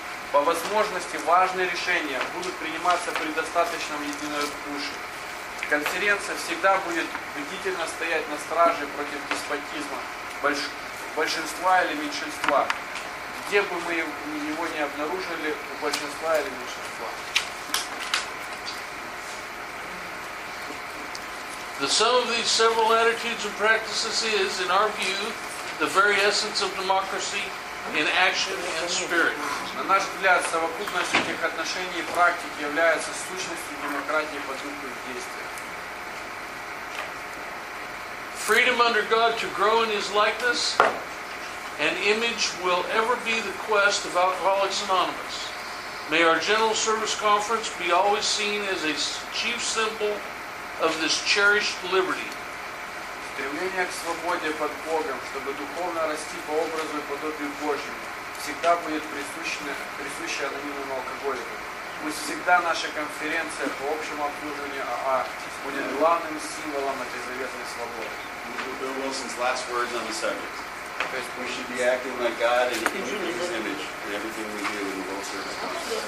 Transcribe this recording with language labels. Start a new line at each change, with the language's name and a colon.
Russian: По возможности важные решения будут приниматься при достаточном единодушии. Конференция всегда будет бдительно стоять на страже против деспотизма большинства или меньшинства, где бы мы его не обнаружили, у большинства или меньшинства.
English: The sum of these several attitudes and practices is, in our view, the very essence of democracy in action and spirit.
Russian: На наш взгляд, совокупность этих отношений и практик является сущностью демократии по духу и действию.
English: Freedom under God to grow in His likeness and image will ever be the quest of Alcoholics Anonymous. May our General Service Conference be always seen as a chief symbol of this cherished liberty.
Russian: Стремление к свободе под Богом, чтобы духовно расти по образу и подобию Божьему, всегда будет присуще анонимным алкоголикам. Пусть всегда наша конференция по общему обслуживанию АА будет главным символом этой заветной свободы.
English: Bill Wilson's last words on the subject. We should be acting like God in His image in everything we do in the World Service Conference.